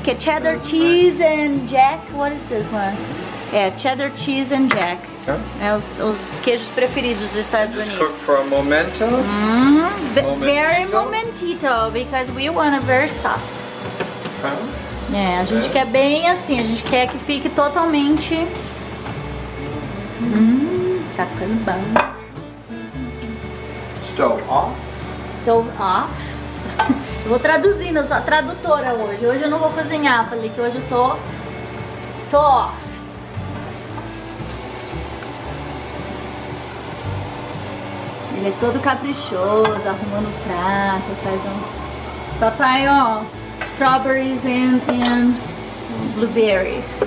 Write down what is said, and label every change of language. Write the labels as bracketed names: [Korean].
[English] Que cheddar cheese and jack. What is this one? É, cheddar cheese and jack. Okay. [Portuguese] É os queijos preferidos dos Estados Unidos. [English] Cook for a momento. Very momentito, because we want it very soft. Okay. [Portuguese] É, a gente quer bem assim. A gente quer que fique totalmente... tá ficando bom. [English] Stove off. Off. [Portuguese] Eu vou traduzindo, eu sou a tradutora hoje. Hoje eu não vou cozinhar, falei que hoje eu tô off. Ele é todo caprichoso, arrumando o prato, faz um... Papai, ó, [English] strawberries and blueberries.